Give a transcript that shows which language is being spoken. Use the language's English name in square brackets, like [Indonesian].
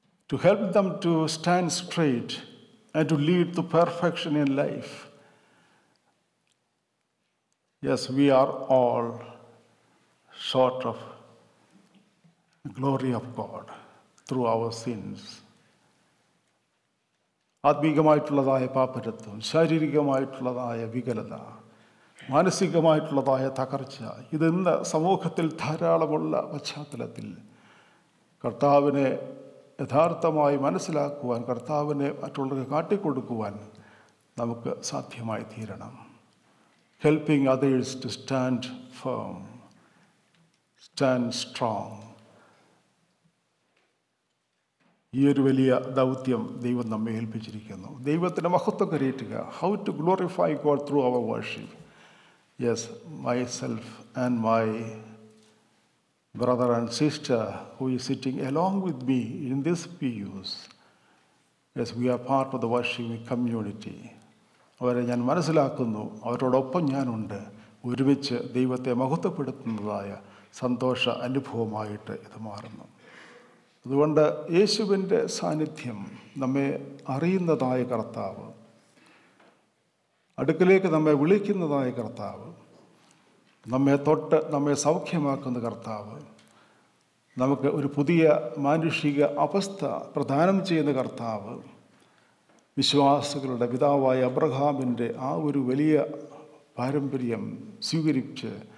[English] to help them to stand straight and to lead to perfection in life? Yes, we are all short of the glory of God through our sins. [Malayalam] ആത്മീകമായിട്ടുള്ളതായ പാപരത്വം, ശാരീരികമായിട്ടുള്ളതായ വികലത, മാനസികമായിട്ടുള്ളതായ തകർച്ച, ഇതെന്ന സമൂഹത്തിൽ ധാരാളമുള്ള പശ്ചാത്തലത്തിൽ കർത്താവിനെ യഥാർത്ഥമായി മനസ്സിലാക്കുവാൻ, കർത്താവിനെ മറ്റുള്ളവർക്ക് കാട്ടിക്കൊടുക്കുവാൻ നമുക്ക് സാധ്യമായി തീരണം. [English] Helping others to stand firm, stand strong. [Malayalam] ഈ ഒരു വലിയ ദൗത്യം ദൈവം നമ്മെ ഏൽപ്പിച്ചിരിക്കുന്നു. ദൈവത്തിൻ്റെ മഹത്വം കരയറ്റുക. [English] How to glorify God through our worship. Yes, myself and my brother and sister who is sitting along with me in this pews, as we are part of the worshiping community. [Malayalam] അവരെ ഞാൻ മനസ്സിലാക്കുന്നു, അവരോടൊപ്പം ഞാനുണ്ട്, ഒരുമിച്ച് ദൈവത്തെ മഹത്വപ്പെടുത്തുന്നതായ സന്തോഷ അനുഭവമായിട്ട് ഇത് മാറുന്നു. അതുകൊണ്ട് യേശുവിൻ്റെ സാന്നിധ്യം നമ്മെ അറിയുന്നതായ കർത്താവ്, അടുക്കലേക്ക് നമ്മെ വിളിക്കുന്നതായ കർത്താവ്, നമ്മെ തൊട്ട് നമ്മെ സൗഖ്യമാക്കുന്ന കർത്താവ്, നമുക്ക് ഒരു പുതിയ മാനുഷിക അവസ്ഥ പ്രദാനം ചെയ്യുന്ന കർത്താവ്, വിശ്വാസികളുടെ പിതാവായ അബ്രഹാമിൻ്റെ ആ ഒരു വലിയ പാരമ്പര്യം സ്വീകരിച്ച്